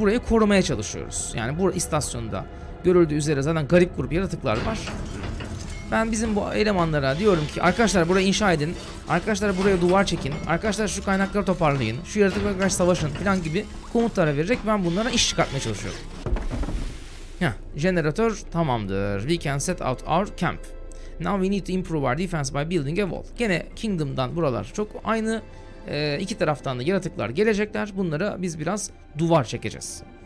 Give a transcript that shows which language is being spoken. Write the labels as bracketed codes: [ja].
[tr] Burayı korumaya çalışıyoruz. Yani bu istasyonda görüldüğü üzere zaten garip grup yaratıklar var. Ben bizim bu elemanlara diyorum ki arkadaşlar burayı inşa edin. Arkadaşlar buraya duvar çekin. Arkadaşlar şu kaynakları toparlayın. Şu yaratıklara karşı savaşın falan gibi komutlara vererek ben bunlara iş çıkartmaya çalışıyorum. Jeneratör tamamdır. [en] We can set out our camp. Now we need to improve our defense by building a wall. [tr] Gene Kingdom'dan buralar çok aynı. İki taraftan da yaratıklar gelecekler. Bunlara biz biraz duvar çekeceğiz.